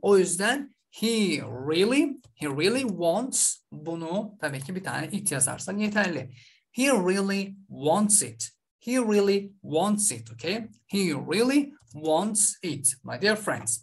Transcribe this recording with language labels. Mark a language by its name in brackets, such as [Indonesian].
[Turkish] O yüzden [English] he really wants. [Turkish] Bunu tabii ki bir tane it yazarsan yeterli. [English] He really wants it. He really wants it, okay? He really wants it, my dear friends.